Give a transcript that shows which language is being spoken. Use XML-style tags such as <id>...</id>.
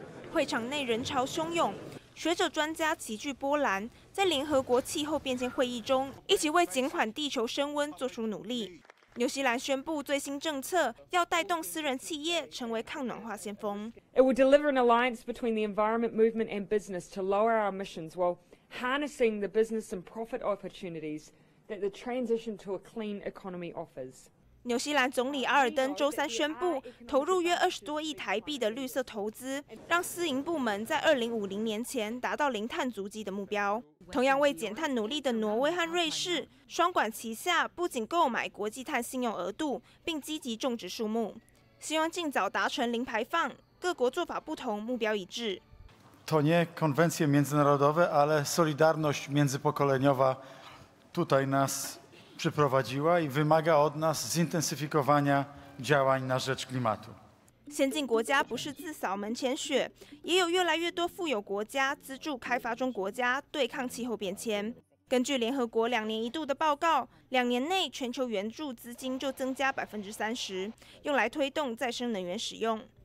<zh>会场内人潮汹涌，学者专家齐聚波兰，在联合国气候变迁会议中一起为减缓地球升温做出努力。纽西兰宣布最新政策，要带动私人企业成为抗暖化先锋。</zh> <en>It will deliver an alliance between the environment movement and business to lower our emissions while harnessing the business and profit opportunities that the transition to a clean economy offers.</en> <zh>纽西兰总理阿尔登周三宣布投入约20多亿台币的绿色投资，让私营部门在2050年前达到零碳足迹的目标。同样为减碳努力的挪威和瑞士，双管齐下，不仅购买国际碳信用额度，并积极种植树木，希望尽早达成零排放。各国做法不同，目标一致。</zh> <pl>To nie konwencje międzynarodowe, ale solidarność międzypokoleniowa tutaj nas przyprowadziła i wymaga od nas zintensyfikowania działań na rzecz klimatu.</pl> <zh>先进国家不是自扫门前雪，也有越来越多富有国家资助开发中国家对抗气候变迁。根据联合国2年1度的报告，2年内全球援助资金就增加30%，用来推动再生能源使用。</zh>